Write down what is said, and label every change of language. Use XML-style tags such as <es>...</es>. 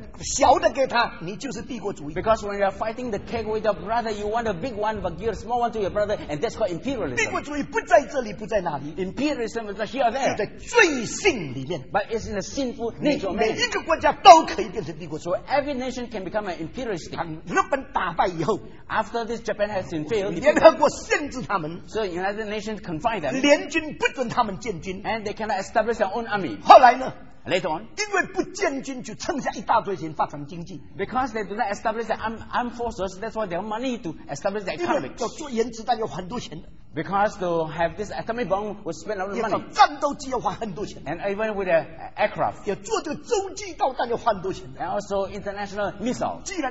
<zh>你跟你的弟弟两个人吃蛋糕，你拿大一点的，小的给他，你就是帝国主义。</zh> <en>Because when you are fighting the cake with your brother, you want a big one, but give a small one to your brother, and that's called imperialism.</en> <zh>帝国主义不在这里，不在那里。</zh> <en>Imperialism is here or there.</en> <zh>在罪性里面。</zh> <en>But it's in the sinful nature of man.</en> <zh>每一个国家都可以变成帝国主义。</zh> <en>So every nation can become an imperialist.</en> <zh>日本打败以后，</zh> <en>after this Japan has been failed,</en> <zh>联合国限制他们，</zh> <en>so United Nations confined them,</en> <zh>联军不准他们建军，</zh> <en>and they cannot establish their own army.</en> <zh>后来呢？</zh> <en>Later on,</en> <zh>因为不建军就剩下一大堆钱发展经济，</zh> <en>because they do not establish their armed forces, that's why they have money to establish their economy.</en> <zh>要做原子弹有很多钱，</zh> <en>because to have this atomic bomb will spend a lot of money.</en> <zh>要战斗机要花很多钱，</zh> <en>and even with the aircraft.</en> <zh>要做这个洲际导弹要花很多钱，</zh> <en>and also international missile.</en>